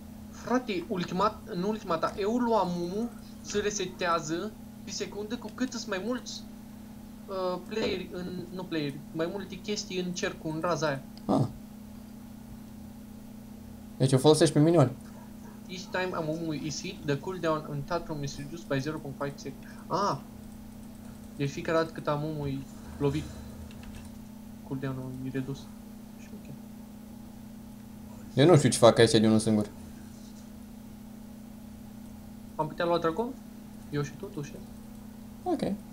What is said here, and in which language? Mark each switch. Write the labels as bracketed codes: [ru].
[ro] Frate, ultima, nu ultima ta, eu luam mumu, se resetează pe secundă cu cât sunt mai mulți playeri în, nu playeri, mai multe chestii în cercul, în raza aia. Ah. Deci o folosești pe minioni. [en] Each time a mumu is hit, the cooldown on Tatrum is reduced by 0.5 sec. Ah. [ro] Deci fiecare dată cât am omul, e lovit. Cooldown-ul e redus. Eu nu știu ce fac aici de unul singur. Am putea lua dragon? Eu și tu, tu și ok.